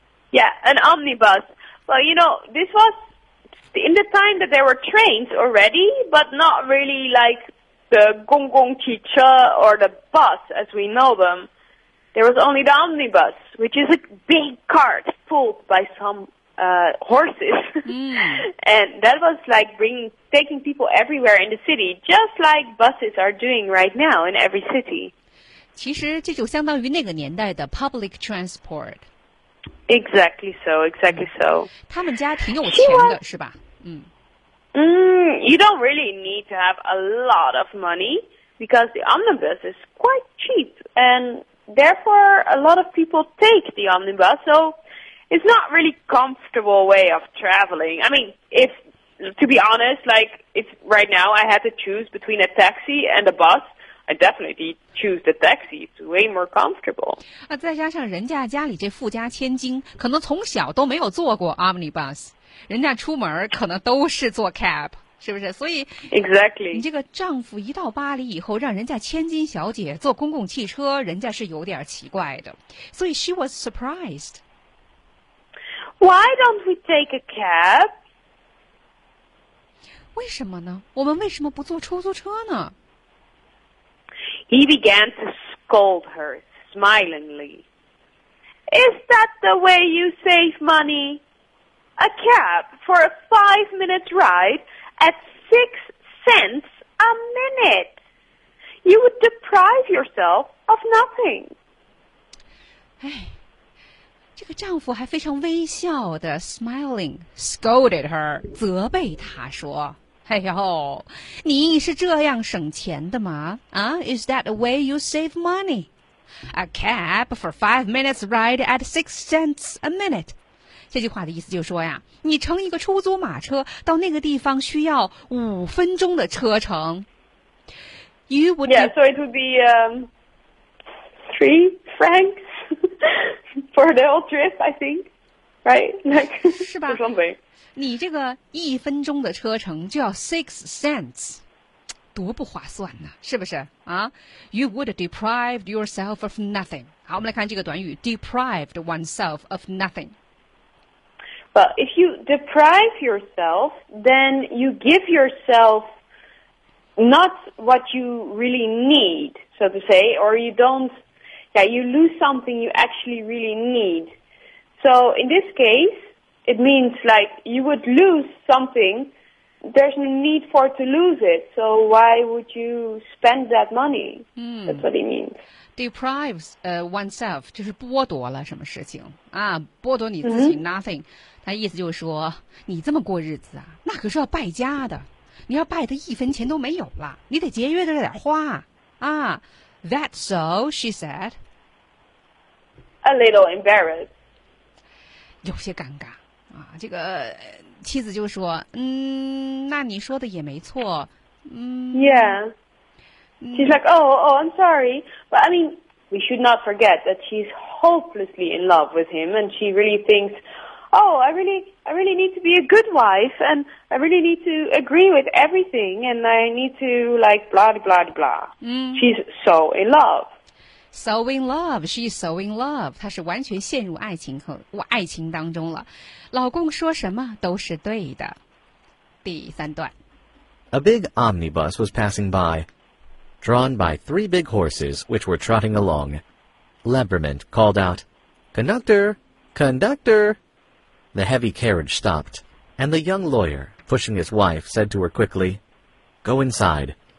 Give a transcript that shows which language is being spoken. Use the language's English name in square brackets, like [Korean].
[English] Yeah, an omnibus. Well, you know, this was. In the time that there were trains already, but not really like the [Chinese] 公共汽车 [English] or the bus as we know them. There was only the omnibus, which is a big cart pulled by some horses. And that was like taking people everywhere in the city, just like buses are doing right now in every city. [Chinese] 其实这就相当于那个年代的 [English] public transport. Exactly so, exactly so. [Chinese] 他们家挺有钱的是吧？ [English] You don't really need to have a lot of money because the omnibus is quite cheap and therefore a lot of people take the omnibus, so it's not really comfortable way of traveling. I mean, if, to be honest, like, if right now I had to choose between a taxi and a bus, I definitely choose the taxi. It's way more comfortable. [Chinese] 啊，再加上人家家里这富家千金，可能从小都没有坐过 omnibus， 人家出门可能都是坐 cab， 是不是？所以 [English] exactly， [Chinese] 你这个丈夫一到巴黎以后，让人家千金小姐坐公共汽车，人家是有点奇怪的。 [English] 所以 she was surprised. Why don't we take a cab？ [Chinese] 为什么呢？我们为什么不坐出租车呢？ [English] He began to scold her smilingly. Is that the way you save money? A cab for a 5-minute ride at 6 cents a minute. You would deprive yourself of nothing. [Chinese] 哎，这个丈夫还非常微笑的 [English] smiling, scolded her, [Chinese] 责备她说。哎呦，你是这样省钱的吗？ [English] 啊、is that the way you save money? A cab for 5 minutes ride at 6 cents a minute. [Chinese] 这句话的意思就是说呀，你乘一个出租马车到那个地方需要5分钟的车程。 [English] You would yeah, so it would be £3 for the whole trip, I think, right? Like, [Chinese] 是吧？你这个一分钟的车程就要 6 cents， 多不划算呢、啊、是不是啊 ？ [English] You would deprive yourself of nothing。 [Chinese] 好，我们来看这个短语 ， [English] deprived oneself of nothing。 Well, if you deprive yourself, then you give yourself not what you really need, so to say, or you don't. Yeah, you lose something you actually really need. So in this case. It means like you would lose something. There's no need for to lose it. So why would you spend that money? That's what it means. Deprives oneself [Chinese] 就是剥夺了什么事情啊？剥夺你自己 nothing. 他意思就是说，你这么过日子啊，那可是要败家的。你要败得一分钱都没有了，你得节约着点花啊。 [English] That's so, she said. A little embarrassed. [Chinese] 有些尴尬。啊，这个妻子就说，嗯，那你说的也没错，嗯 [English] ，Yeah， she's like, oh, I'm sorry, but I mean, we should not forget that she's hopelessly in love with him, and she really thinks, oh, I really need to be a good wife, and I really need to agree with everything, and I need to like blah blah blah. She's so in love. So in love, she's so in love. [Chinese] 她是完全陷入爱情和爱情当中了。老公说什么都是对的。第三段。 [English] A big omnibus was passing by, drawn by 3 big horses which were trotting along. Lebrement called out, Conductor! Conductor! The heavy carriage stopped, and the young lawyer, pushing his wife, said to her quickly, Go inside.